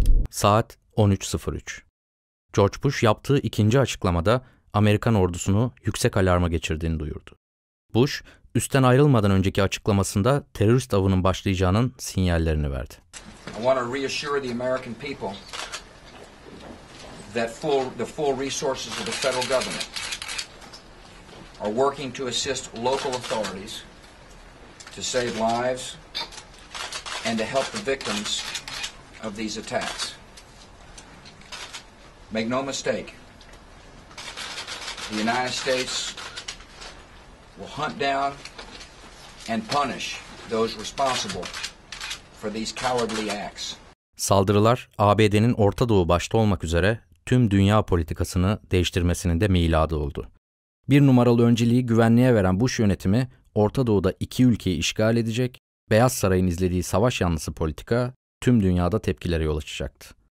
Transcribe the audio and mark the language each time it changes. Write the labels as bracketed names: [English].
[Turkish] Saat 13.03. George Bush yaptığı ikinci açıklamada Amerikan ordusunu yüksek alarma geçirdiğini duyurdu. Bush, üstten ayrılmadan önceki açıklamasında terörist avının başlayacağının sinyallerini verdi. [English] I want to reassure the American people that the full resources of the federal government are working to assist local authorities to save lives and to help the victims of these attacks. Make no mistake, the United States will hunt down and punish those responsible for these cowardly acts. [Turkish] Saldırılar ABD'nin Orta Doğu başta olmak üzere tüm dünya politikasını değiştirmesinin de miladı oldu. Bir numaralı önceliği güvenliğe veren Bush yönetimi Orta Doğu'da iki ülkeyi işgal edecek, Beyaz Saray'ın izlediği savaş yanlısı politika tüm dünyada tepkilere yol açacaktı.